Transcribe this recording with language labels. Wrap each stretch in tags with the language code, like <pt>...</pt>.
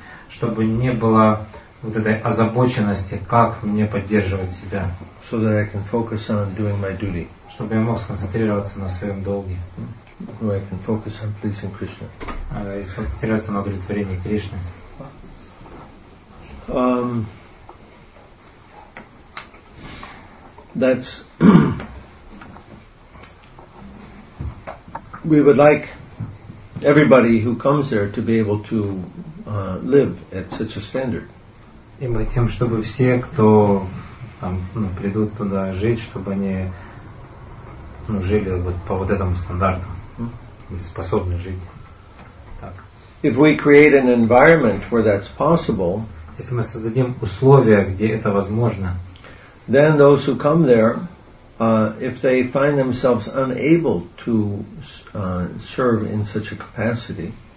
<ru>Чтобы не было вот этой озабоченности, как мне поддерживать себя.</ru> <en>So that I can focus on doing my duty.</en> <ru>Чтобы я мог сконцентрироваться на своем долге.</ru> <en>Where I can focus on pleasing Krishna.</en> <ru>И сконцентрироваться на удовлетворении Кришны.</ru> <en>That's we would like everybody who comes there to be able to live at such a standard.</en> <ru>И мы хотим, чтобы все, кто там, ну, придут туда жить, чтобы они, ну, жили вот по вот этому стандарту, способны жить. Так.</ru> <en>If we create an environment where that's possible,</en> <ru>если мы создадим условия, где это возможно.</ru> <en>Then those who come there, if they find themselves unable to serve in such a capacity,</en>